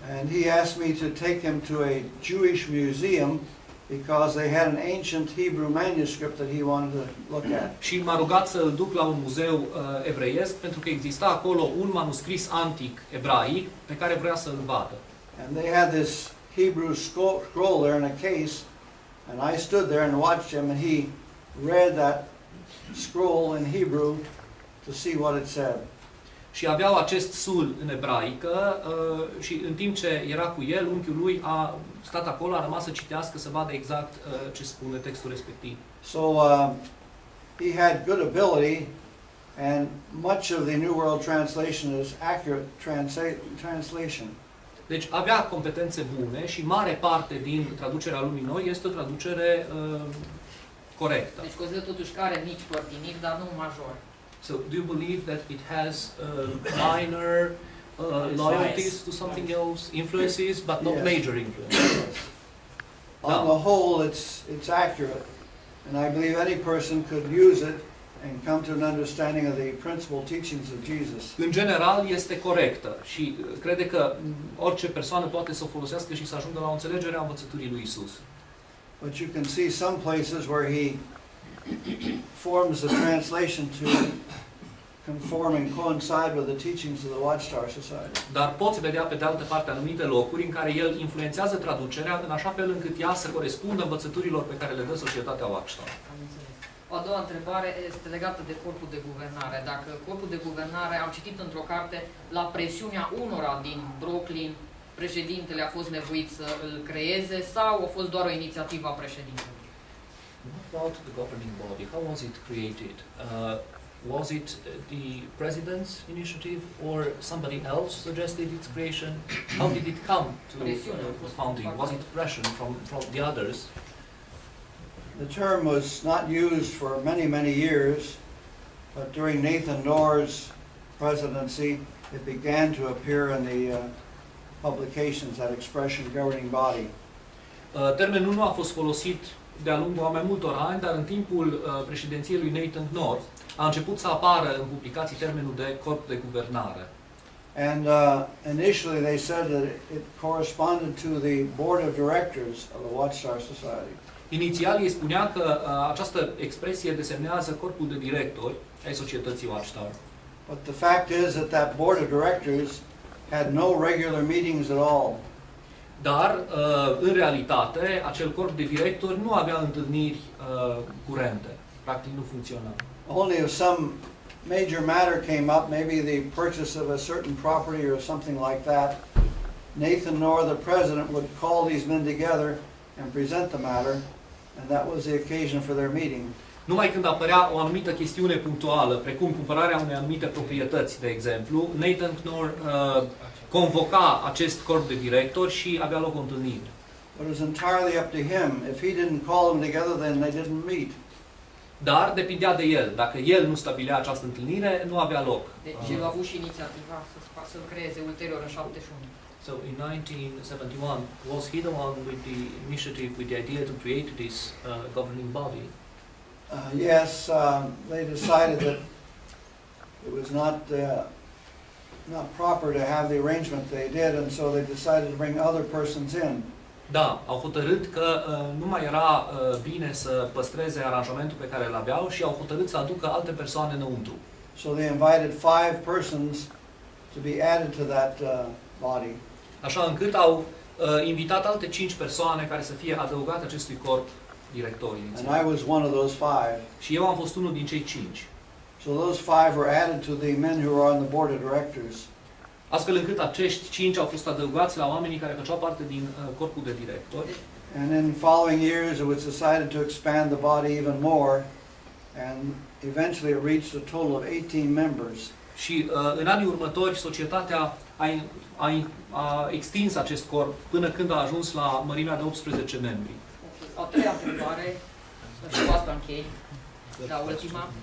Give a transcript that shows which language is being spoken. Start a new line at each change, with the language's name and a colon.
English: And he asked me to take him to a Jewish museum Because they had an ancient Hebrew manuscript that he wanted to look at.
Romanian: Și m-a rugat să îl duc la un muzeu evreiesc pentru că exista acolo un manuscris antic ebraic pe care vrea să îl vadă.
English: And they had this Hebrew scroll there in a case, and I stood there and watched him, and he read that scroll in Hebrew to see what it said.
Romanian: Și aveau acest sul în ebraică și în timp ce era cu el, unchiul lui a stat acolo, a rămas să citească, să vadă exact ce spune textul respectiv.
English: So he had good ability and much of the New World Translation is accurate translation.
Romanian: Deci avea competențe bune și mare parte din traducerea Lumii Noi este o traducere corectă. Deci consider totuși că are mici părtinic, dar nu major.
English: So do you believe that it has minor loyalties to something else, influences, but not major influences? On the whole, it's accurate, and I believe any person could use it and come to an understanding of the principal teachings of Jesus.
Romanian: În general, este corectă și crede că orice persoană poate să o folosească și să ajungă la înțelegerea învățăturii lui Isus.
English: But you can see some places where he forms the translation to conform and coincide with the teachings of the Watchtower Society.
Romanian: Dar poți vedea pe de altă parte anumite locuri în care el influențează traducerea în așa fel încât ea să corespundă învățăturilor pe care le dă societatea Watchtower. O a doua întrebare este legată de corpul de guvernare. Dacă corpul de guvernare, am citit într-o carte, la presiunea unora din Brooklyn, președintele a fost nevoit să îl creeze sau a fost doar o inițiativă a președintelui?
English: About the governing body, how was it created? Was it the president's initiative or somebody else suggested its creation? How did it come to the founding? Was it pressure from the others? The term was not used for many, many years, but during Nathan Knorr's presidency, it began to appear in the publications, that expression, governing body.
Romanian: Termenul nu a fost folosit de-a lungul a mai multor ani, dar în timpul președinției lui Nathan Knorr a început să apară în publicații termenul de corp de guvernare.
English: And initially they said that it corresponded to the board of directors of the Watchtower Society.
Romanian: Inițial ei spunea că această expresie desemnează corpul de directori ai societății Watchtower.
English: But the fact is that that board of directors had no regular meetings at all.
Romanian: Dar, în realitate, acel corp de directori nu avea întâlniri curente. Practic nu funcționa.
English: Only if some major matter came up, maybe the purchase of a certain property or something like that, Nathan Knorr, the president, would call these men together and present the matter, and that was the occasion for their meeting.
Romanian: Numai când apărea o anumită chestiune punctuală, precum cumpărarea unei anumite proprietăți, de exemplu, Nathan Knorr convoca acest corp de directori și avea loc o întâlnire.
English: It was entirely up to him. If he didn't call them together, then they didn't meet.
Romanian: Dar depindea de el. Dacă el nu stabilea această întâlnire, nu avea loc. Deci el a avut și inițiativa să creeze ulterior în 71.
English: So in 1971, was he the one with the initiative, with the idea to create this governing body? Yes, they decided that it was not proper to have the arrangement they did, and so they decided to bring other persons in.
Romanian: Da, au hotărât că nu mai era bine să păstreze aranjamentul pe care l-aveau și au hotărât să aducă alte persoane înăuntru.
English: So they invited 5 persons to be added to that body.
Romanian: Așa încât au invitat alte 5 persoane care să fie adăugate acestui corp director inițial.
English: And I was one of those 5.
Romanian: Și eu am fost unul din cei 5.
English: So those 5 were added to the men who were on the board of directors.
Romanian: Astfel încât acești 5 au fost adăugați la oamenii care făceau parte din corpul de directori.
English: And in following years it was decided to expand the body even more and eventually it reached a total of 18 members.
Romanian: Și în anii următori societatea a extins acest corp până când a ajuns la mărimea de 18 membri. A treia întrebare, și cu asta închei, da, ultima.